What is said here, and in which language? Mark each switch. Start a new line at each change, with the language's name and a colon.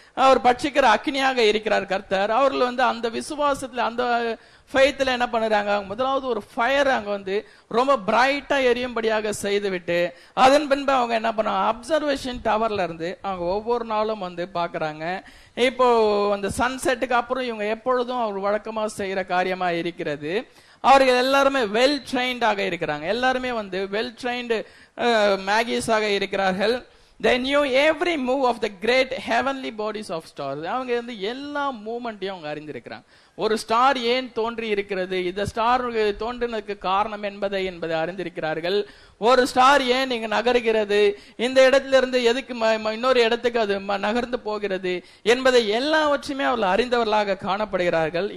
Tamil: அவர் பட்சிக்கிற அக்னியாக இருக்கிறார் கர்த்தர். அவர்கள் வந்து அந்த விசுவாசத்துல அந்த ஃபெய்த்ல என்ன பண்ணுறாங்க, முதலாவது ஒரு ஃபயர் அங்க வந்து ரொம்ப பிரைட்டா எரியும்படியாக செய்து விட்டு அதன் பின்பு அவங்க என்ன பண்ணுவாங்க, அப்சர்வேஷன் டவர்ல இருந்து அவங்க ஒவ்வொரு நாளும் வந்து பாக்குறாங்க. இப்போ அந்த சன்செட்டுக்கு அப்புறம் இவங்க எப்பொழுதும் அவர் வழக்கமா செய்யற காரியமா இருக்கிறது. அவர்கள் எல்லாருமே வெல் ட்ரெயின்டாக இருக்கிறாங்க. எல்லாருமே வந்து வெல் ட்ரெயின்டு மேகிஸாக இருக்கிறார்கள்.
English: They knew every move of the great heavenly bodies of stars.
Tamil: அவங்க வந்து எல்லா மூவ்மெண்ட்டையும் அவங்க அறிந்திருக்கிறாங்க. ஒரு ஸ்டார் ஏன் தோன்றி இருக்கிறது, இந்த ஸ்டார் தோன்றினதுக்கு காரணம் என்பதை அறிந்திருக்கிறார்கள். ஒரு ஸ்டார் ஏன் இங்க நகர்கிறது, இந்த இடத்திலிருந்து எதுக்கு இன்னொரு இடத்துக்கு அது நகர்ந்து போகிறது என்பதை எல்லாவற்றையுமே அவர்கள் அறிந்தவர்களாக காணப்படுகிறார்கள்.